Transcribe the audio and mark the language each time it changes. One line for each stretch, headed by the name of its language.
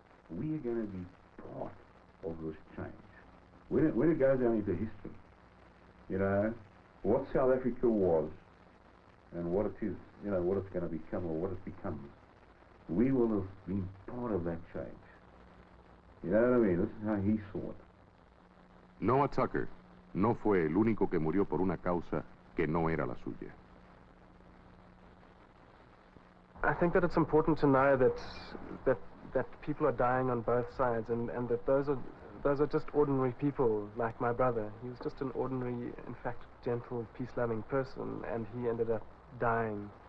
English: We are going to be part of this change. When it goes down into history, you know, what South Africa was and what it is, you know, what it's going to become or what it becomes, we will have been part of that change. You know what I mean? This is how he saw it.
Spanish: Noah Tucker no fue el único que murió por una causa que no era la suya.
English: I think that it's important to know that people are dying on both sides, and that those are just ordinary people like my brother. He was just an ordinary, in fact, gentle, peace-loving person, and he ended up dying.